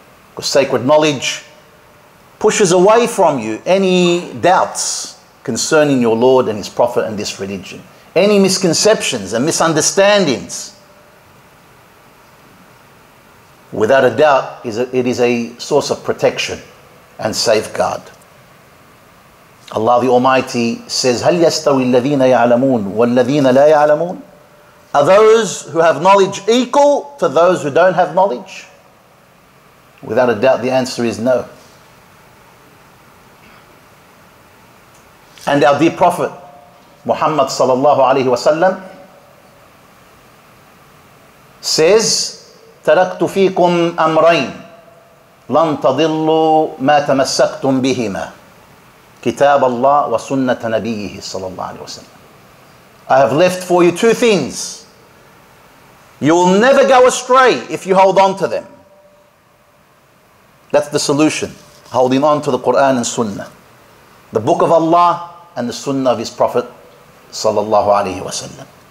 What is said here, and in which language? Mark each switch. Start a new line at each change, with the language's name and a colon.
English: Because sacred knowledge pushes away from you any doubts concerning your Lord and His Prophet and this religion, any misconceptions and misunderstandings. Without a doubt, it is a source of protection and safeguard. Allah the Almighty says,
Arabic: هَلْ يَسْتَوِي الَّذِينَ يَعْلَمُونَ وَالَّذِينَ لَا يَعْلَمُونَ.
English: Are those who have knowledge equal to those who don't have knowledge? Without a doubt, the answer is no. And our dear Prophet Muhammad sallallahu alaihi wasallam says,
Arabic: تَرَكْتُ فِيكُمْ أَمْرَيْنِ لَنْ تَضِلُّوا مَا تَمَسَّكْتُمْ بِهِمَا كِتَابَ اللَّهِ وَسُنَّةَ نَبِيِّهِ صلى الله عليه وسلم.
English: I have left for you two things. You will never go astray if you hold on to them. That's the solution, holding on to the Quran and Sunnah, the Book of Allah and the Sunnah of His Prophet sallallahu alaihi wasallam.